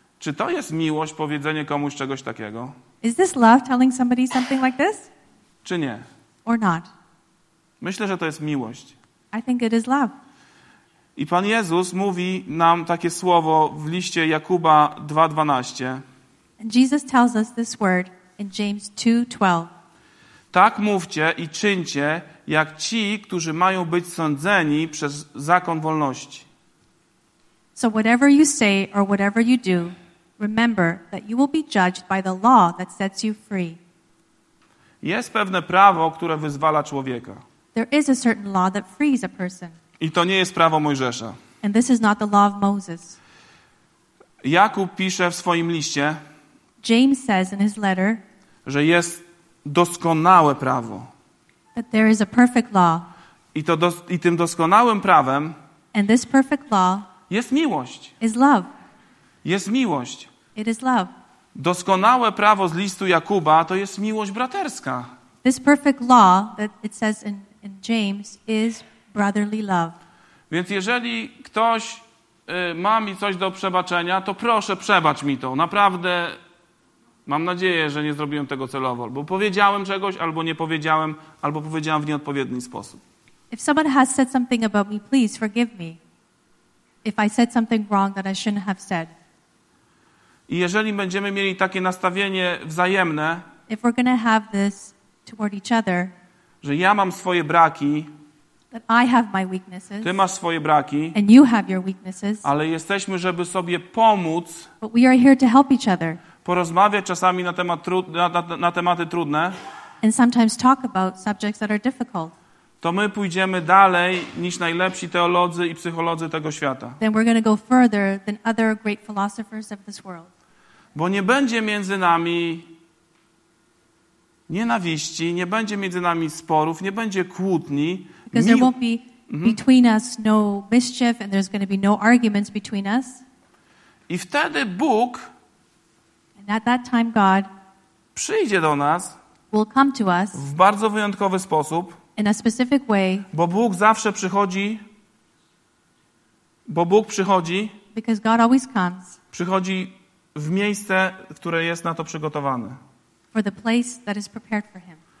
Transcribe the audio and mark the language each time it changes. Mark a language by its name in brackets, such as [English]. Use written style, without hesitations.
[Polish] Czy to jest miłość, powiedzenie komuś czegoś takiego? [English] Is this love telling somebody something like this? [Polish] Czy nie? [English] Or not? [Polish] Myślę, że to jest miłość. [English] I think it is love. [Polish] I Pan Jezus mówi nam takie słowo w liście Jakuba 2:12. [English] And Jesus tells us this word in James 2:12. [Polish] Tak mówcie i czyńcie, jak ci, którzy mają być sądzeni przez zakon wolności. [English] So whatever you say or whatever you do, remember that you will be judged by the law that sets you free. [Polish] Jest pewne prawo, które wyzwala człowieka. [English] There is a certain law that frees a person. [Polish] I to nie jest prawo Mojżesza. [English] And this is not the law of Moses. [Polish] Jakub pisze w swoim liście, [English] James says in his letter, [Polish] że jest doskonałe prawo. [English] That there is a perfect law. [Polish] I tym doskonałym prawem [English] and this perfect law [Polish] jest miłość. [English] Is love. [Polish] Jest miłość. [English] It is love. [Polish] Doskonałe prawo z listu Jakuba to jest miłość braterska. [English] This perfect law that it says in James is brotherly love. [Polish] Więc jeżeli ktoś ma mi coś do przebaczenia, to proszę, przebacz mi to. Naprawdę mam nadzieję, że nie zrobiłem tego celowo. Albo powiedziałem czegoś, albo nie powiedziałem, albo powiedziałem w nieodpowiedni sposób. [English] If someone has said something about me, please forgive me. If I said something wrong that I shouldn't have said. [Polish] I jeżeli będziemy mieli takie nastawienie wzajemne, [English] if we're gonna have this toward each other, [Polish] że ja mam swoje braki, [English] that I have my weaknesses, [Polish] ty masz swoje braki, [English] and you have your weaknesses, [Polish] ale jesteśmy, żeby sobie pomóc, [English] but we are here to help each other, [Polish] porozmawiać czasami na temat na tematy trudne, [English] and sometimes talk about subjects that are difficult, [Polish] to my pójdziemy dalej niż najlepsi teolodzy i psycholodzy tego świata. [English] Then we're gonna go further than other great philosophers of this world. [Polish] Bo nie będzie między nami nienawiści, nie będzie między nami sporów, nie będzie kłótni. [English] Because there won't be between us no mischief and there's gonna be no arguments between us. [Polish] I wtedy Bóg [English] and at that time God [Polish] przyjdzie do nas [English] will come to us [Polish] w bardzo wyjątkowy sposób. [English] In a specific way, [Polish] bo Bóg zawsze przychodzi, bo Bóg przychodzi, [English] because God always comes, [Polish] przychodzi w miejsce, które jest na to przygotowane. [English] For the place that is prepared for him.